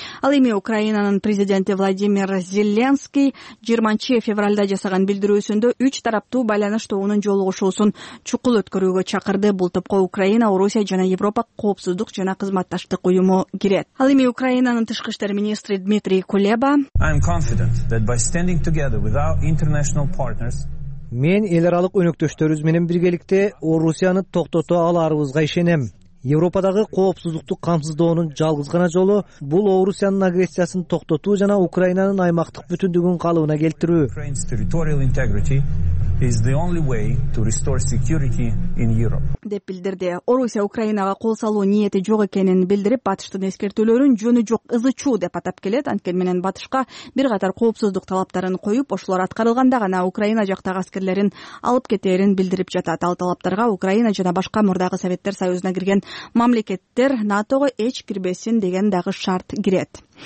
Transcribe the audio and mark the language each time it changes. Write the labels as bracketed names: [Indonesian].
[Kyrgyz] Ал эми Украинанын президенти Владимир Зеленский 20-февралда жасаган билдирүүсүндө үч тараптуу байланыш тобунун жолугушуусун чукул өткөрүүгө чакырды. Бул топко Украина, Орусия жана Европа коопсуздук жана кызматташтык уюму кирет. Ал эми Украинанын тышкы иштер министри Дмитрий Кулеба [English] I'm confident that by standing together with our international partners [Kyrgyz] Мен эл аралык өнөктөштөрүбүз менен биргеликте Орусияны токтото аларыбызга ишенем. Европадагы коопсуздукту камсыздоонун жалгыз гана жолу бул Орусиянын агрессиясын токтотуу жана Украинанын аймактык бүтүндүгүн калыбына келтирүү. [English] Is the only way to restore security in Europe. [Kyrgyz] Деп билдирди. Орусия Украинага кол салуу ниети жок экенин билдирип, батыштын эскертүүлөрүн жөнү жок ызычуу деп атап келет. Анткени менен батышка бир катар коопсуздук талаптарын коюп, ошолор аткарылганда гана Украина жактагы аскерлерин алып кетээрин билдирип жатат. Ал талаптарга Украина жана башка мурдагы Советтер Союзуна кирген мамлекеттер НАТОго эч кирбесин деген дагы шарт кирет.